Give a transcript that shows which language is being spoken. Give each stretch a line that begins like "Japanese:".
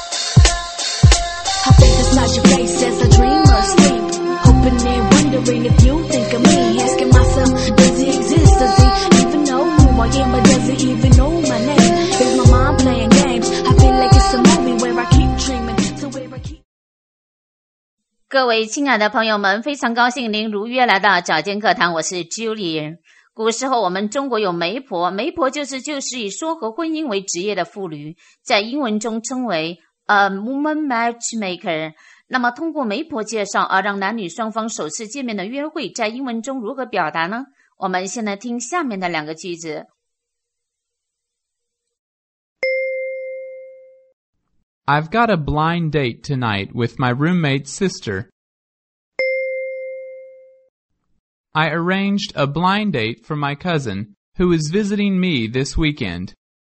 English: wash your face as I dream or sleep. Hoping and wondering if you think of me. Asking myself, does he exist? Does he even know who I am? Or does he even know my name? Is my mind playing games? I feel like it's a movie where I keep dreaming.
Chinese: 各位亲爱的朋友们，非常高兴您如约来到早间课堂，我是 Julie。古时候我们中国有媒婆，媒婆就是旧时以说和婚姻为职业的妇女，在英文中称为
English: A woman matchmaker。
Chinese: 那么通过媒婆介绍而让男女双方首次见面的约会，在英文中如何表达呢？我们先来听下面的两个句子。
English: I've got a blind date tonight with my roommate's sister. I arranged a blind date for my cousin, who is visiting me this weekend.